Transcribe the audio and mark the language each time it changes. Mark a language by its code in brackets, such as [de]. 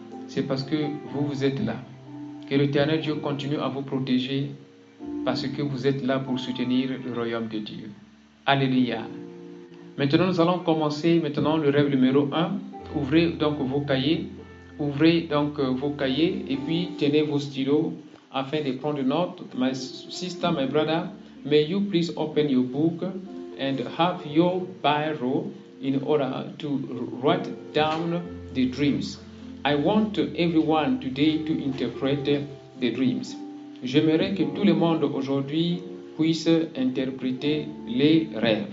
[fr] C'est parce que vous êtes là. Que l'Éternel Dieu continue à vous protéger parce que vous êtes là pour soutenir le royaume de Dieu. Alléluia. Maintenant, nous allons commencer maintenant le rêve numéro 1. Ouvrez donc vos cahiers. Ouvrez donc vos cahiers et puis tenez vos stylos afin de prendre note. [en] My sister, my brother, may you please open your book and have your Bible in order to write down the dreams. I want everyone today to interpret the dreams. [fr] J'aimerais que tout le monde aujourd'hui puisse interpréter les rêves.